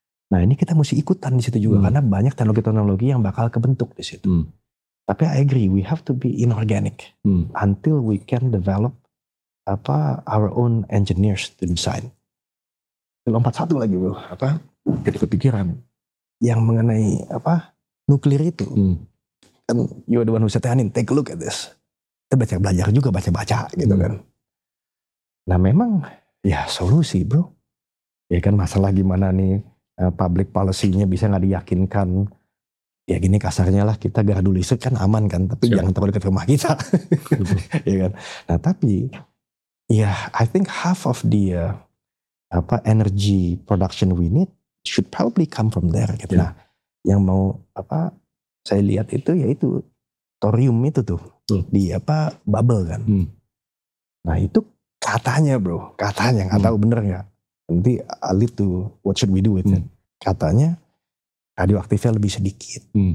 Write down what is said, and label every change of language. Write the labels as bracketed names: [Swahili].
[Indonesian] Nah ini kita mesti ikutan di situ juga karena banyak teknologi-teknologi yang bakal kebentuk di situ. [English] Tapi I agree, we have to be inorganic until we can develop apa our own engineers to design. [Indonesian] Lompat satu lagi bro, apa? Jadi kepikiran yang mengenai apa nuklir itu. Kan [English] you are the one who said, "Anin, take a look at this." [Indonesian] Kita belajar juga baca-baca gitu kan. Nah memang ya solusi bro, ya kan masalah gimana nih? Public policy-nya bisa gak diyakinkan. Ya gini kasarnya lah, kita gardu listrik kan aman kan, tapi jangan terlalu dekat rumah kita. Ya kan? Nah tapi, ya [English] I think half of the apa energy production we need should probably come from there. [Indonesian] Gitu. Nah yang mau apa saya lihat itu yaitu thorium itu tuh. Di apa bubble kan. Nah itu katanya bro, katanya gak tahu bener gak. [English] Nanti I lead to what should we do with it. [Indonesian] Katanya radioaktifnya lebih sedikit.